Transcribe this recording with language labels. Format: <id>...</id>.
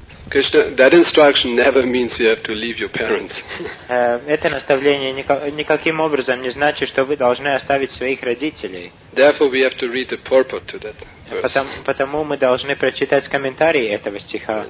<en>Krishna, that instruction never means you have to leave your parents.</en> <ru>Это наставление никаким образом не значит, что вы должны оставить своих родителей.</ru> <en>Therefore, we have to read the purport to that verse.</en> <ru>Потому мы должны прочитать комментарий этого стиха.</ru>